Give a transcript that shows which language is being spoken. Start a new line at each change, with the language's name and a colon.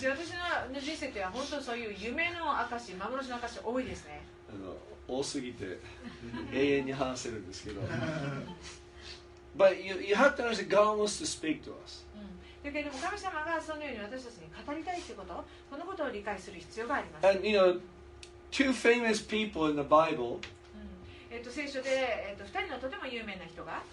Japanese: 私の人生って本当にそういう夢の証、幻の証多いですね。あの多すぎて永遠に話せるんですけど。
English: But you have to understand God wants to speak to us.
Japanese: だけども神様がそのように私たちに語りたいってこと、このことを理解する必要があります。
English: And you know, two famous people in the Bible.
Japanese: 聖書で二人のとても有名な人が。